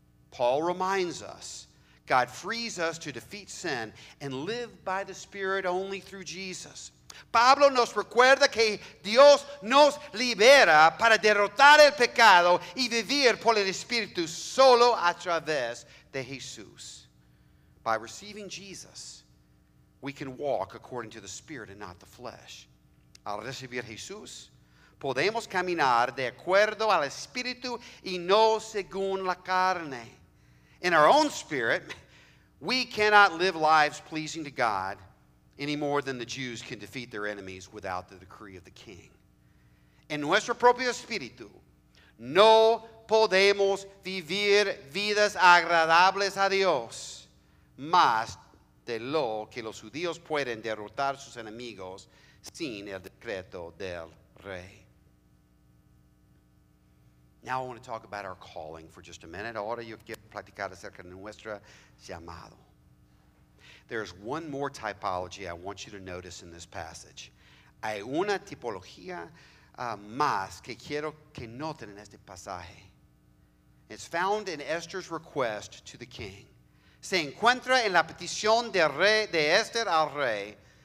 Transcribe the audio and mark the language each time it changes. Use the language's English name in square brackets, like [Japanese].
[English] Paul reminds us, God frees us to defeat sin and live by the Spirit only through Jesus. [Spanish] Pablo nos recuerda que Dios nos libera para derrotar el pecado y vivir por el Espíritu solo a través de Jesús. [English] By receiving Jesus, we can walk according to the Spirit and not the flesh. [Spanish] Al recibir Jesús, podemos caminar de acuerdo al Espíritu y no según la carne. [English] In our own spirit, we cannot live lives pleasing to God any more than the Jews can defeat their enemies without the decree of the king. [Spanish] En nuestro propio espíritu, no podemos vivir vidas agradables a Dios más de lo que los judíos pueden derrotar sus enemigos sin el decreto del rey. [English] Now I want to talk about our calling for just a minute. [Spanish] Ahora yo quiero platicar acerca de nuestro llamado. [English] There's one more typology I want you to notice in this passage. [Spanish] Hay una tipología más que quiero que noten en este pasaje. [English] It's found in Esther's request to the king. [Spanish] Se encuentra en la petición del rey, de Esther al rey.